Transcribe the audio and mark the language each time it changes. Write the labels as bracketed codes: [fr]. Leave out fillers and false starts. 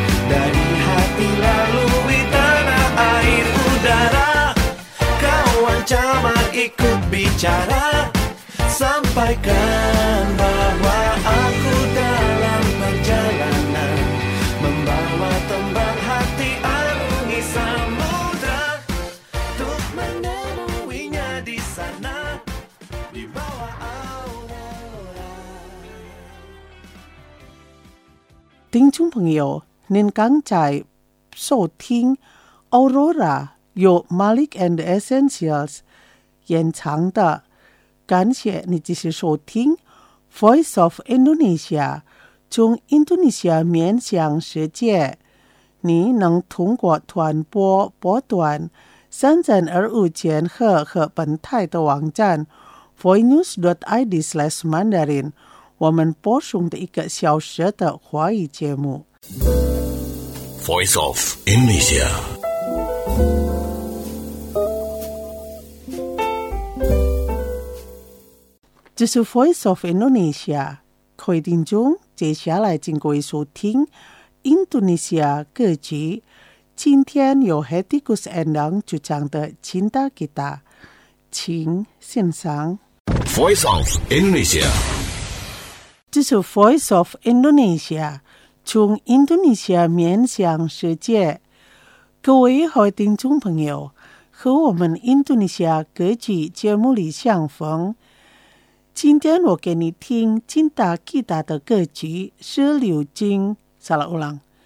[id] dari hati lalui tanah air udara kawan camat ikut bicara sampaikan bahwa aku dalam perjalanan membawa tembang hati arungi samudra untuk menemuinya di sana di bawah aurora. [zh] Ting chung peng yo您刚才收听 Aurora 由 Malik and Essentials 演唱的，感谢你继续收听 Voice of Indonesia， 从印度尼西亚面向世界。你能通过传播波段3025千赫和本台的网站 voinews.id/mandarin 我们播送的一个小时的华语节目。 Voice of Indonesia。这是 Voice of Indonesia。各位听众，接下来请各位收听印度尼西亚歌曲。今天有 Hedigus Endang 主唱的《Cinta Kita》，请欣赏。 Voice of Indonesia。这是 Voice of Indonesia。从印度尼西亚面向世界，各位和听众朋友，和我们印度尼西亚歌曲节目里相逢。今天我给你听金达吉达的歌曲是刘金萨拉乌朗。